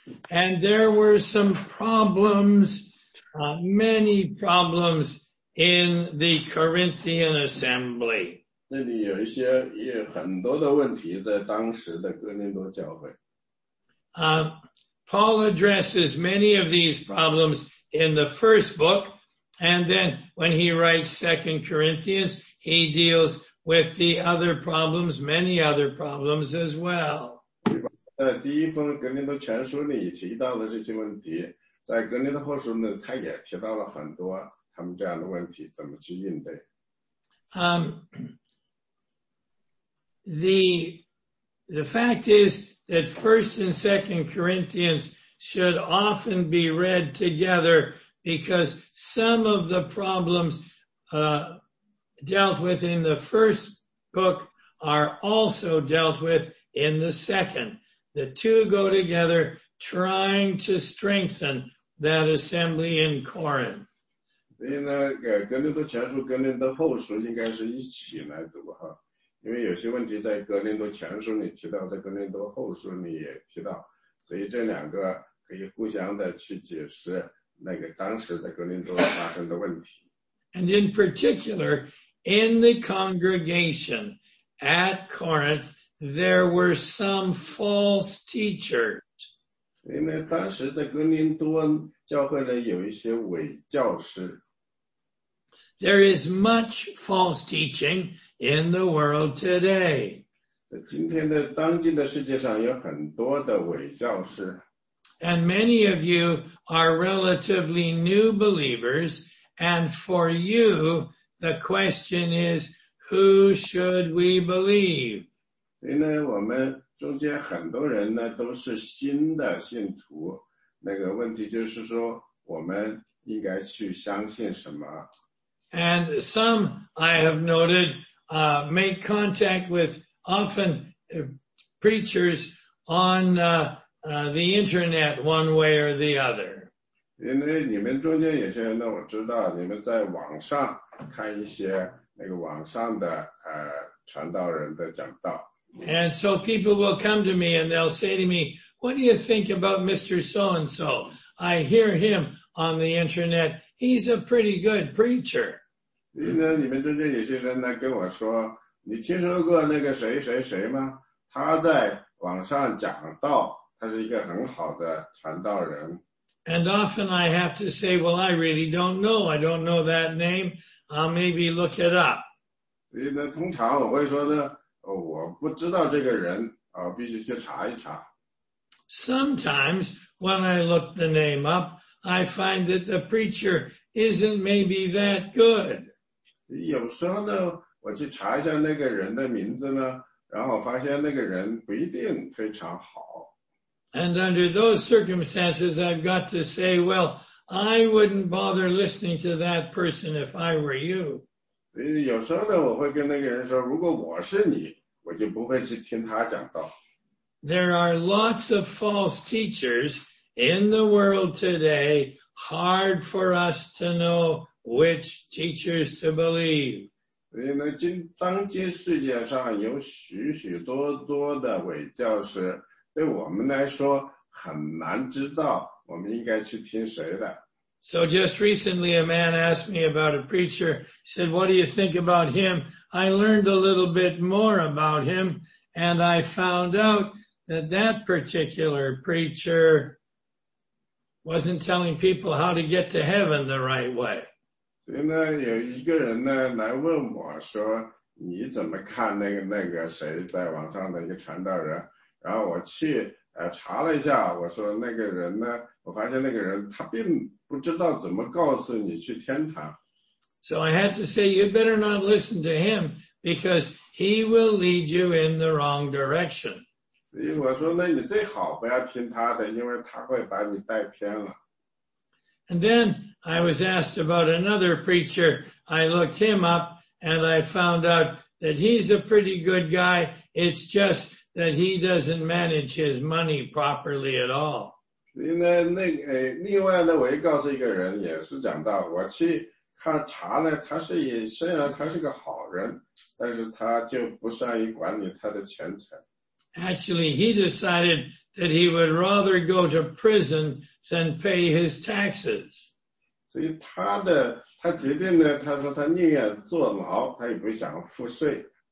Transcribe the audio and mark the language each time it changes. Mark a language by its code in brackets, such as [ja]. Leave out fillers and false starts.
[en] And there were some problems, many problems in the Corinthian assembly. [zh] 那里有一些也很多的问题在当时的哥林多教会。 [en] Paul addresses many of these problems in the first book, and then when he writes 2 Corinthians, he deals with the other problems, many other problems as well. [zh] 在第一封格林多前书里提到的这些问题，在格林多后书呢，他也提到了很多他们这样的问题怎么去应对。 [en] The fact is that 1 and 2 Corinthians should often be read together because some of the problems dealt with in the first book are also dealt with in the second. The two go together trying to strengthen that assembly in Corinth. [zh] 所以呢，格林多前书、格林多后书应该是一起来读哈。因为有些问题在格林多前书里提到，在格林多后书里也提到，所以这两个可以互相的去解释那个当时在格林多发生的问题。 [en] And in particular, in the congregation at Corinth, there were some false teachers. [zh] 因为当时在格林多教会里有一些伪教师。 [en] There is much false teaching in the world today. [zh] 今天的当今的世界上有很多的伪教师。 [en] And many of you are relatively new believers, and for you, the question is, who should we believe? [zh] 所以呢，我们中间很多人呢，都是新的信徒。那个问题就是说，我们应该去相信什么？ [en] And some, I have noted, make contact with often preachers on the internet one way or the other. [zh] 因为你们中间有些人呢，我知道你们在网上看一些那个网上的传道人的讲道。 [en] And so people will come to me and they'll say to me, what do you think about Mr. So-and-so? I hear him on the internet. He's a pretty good preacher. [zh] 所以呢，你们中间有些人呢跟我说，你听说过那个谁谁谁吗？他在网上讲道，他是一个很好的传道人。 [en] And often I have to say, well, I really don't know. I don't know that name. I'll maybe look it up. [zh] 所以呢，通常我会说呢，我不知道这个人，我必须去查一查。 [en] Sometimes when I look the name up, I find that the preacher isn't maybe that good. [zh] 有时候呢，我去查一下那个人的名字呢，然后发现那个人不一定非常好。 [en] And under those circumstances, I've got to say, well, I wouldn't bother listening to that person if I were you. [zh] 所以有时候呢，我会跟那个人说，如果我是你，我就不会去听他讲道。 [en] There are lots of false teachers in the world today, hard for us to know. Which teachers to believe? [zh] 所以呢，当今世界上有许许多多的伪教师，对我们来说很难知道我们应该去听谁的。 [en] So just recently, a man asked me about a preacher. He said, "What do you think about him?" I learned a little bit more about him, and I found out that that particular preacher wasn't telling people how to get to heaven the right way. [zh] 所以呢，有一个人呢来问我说，你怎么看那个谁在网上的一个传道人？然后我去查了一下，我说那个人呢，我发现那个人他并不知道怎么告诉你去天堂。 [en] So I had to say you better not listen to him because he will lead you in the wrong direction. [zh] 所以我说那你最好不要听他的，因为他会把你带偏了。 [en] And then I was asked about another preacher. I looked him up and I found out that he's a pretty good guy. It's just that he doesn't manage his money properly at all. [zh] 另外呢，我也告诉一个人，也是讲到我去看查呢，他是也虽然他是个好人，但是他就不善于管理他的钱财。 [en] Actually, he decided that he would rather go to prison than pay his taxes. [zh] 所以他决定呢，他说他宁愿坐牢，他也不想付税。